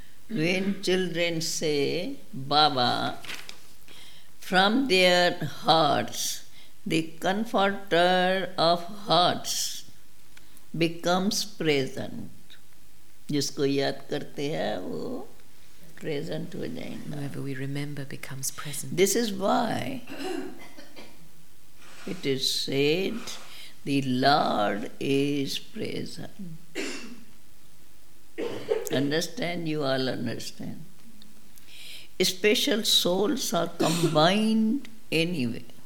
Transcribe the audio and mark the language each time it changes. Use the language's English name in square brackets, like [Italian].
[English] When children say, Baba, from their hearts, the comforter of hearts becomes present. [Hindi] जिसको याद करते हैं वो present हो जाएंगे. [English] Whoever we remember becomes present. This is why it is said, the Lord is present. Understand? You all understand. Special souls are combined anyway.